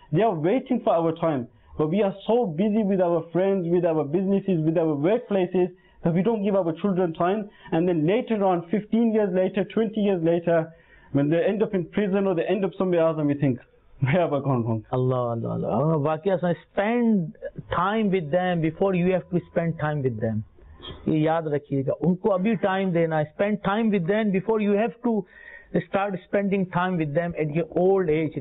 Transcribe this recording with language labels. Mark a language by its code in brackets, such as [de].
[en] They are waiting for our time. But we are so busy with our friends, with our businesses, with our workplaces, that we don't give our children time. And then later on, 15 years later, 20 years later, when they end up in prison or they end up somewhere else, and we think, where have I gone wrong? Allah, Allah, Allah. Spend time with them before you have to spend time with them. [ur] یاد رکھیے گا ان کو ابھی time دینا [en] Spend time with them before you have to start spending time with them at your old age.